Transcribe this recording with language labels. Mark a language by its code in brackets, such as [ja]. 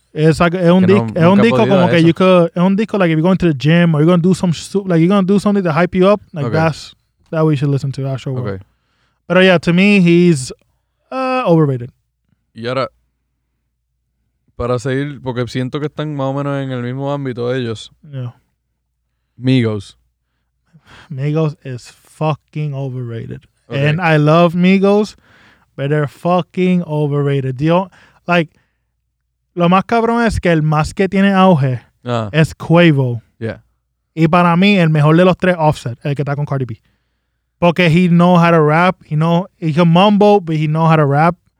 [en] It's like [es] es un disco [en] like if you're going to the gym or you're going to do something to hype you up, like that's what you should listen to, Astroworld. Okay. But yeah, to me he's overrated. [es] Y ahora, para seguir, porque siento que están más o menos en el mismo ámbito ellos. [en] Yeah. Migos is fucking overrated. Okay. And I love Migos, but they're fucking overrated. [es] Lo más cabrón es que el más que tiene auge es Quavo. [en] Yeah. [es] Y para mí, el mejor de los tres, Offset, el que está con Cardi B. [en] Porque he knows how to rap. He can mumble, but he knows how to rap.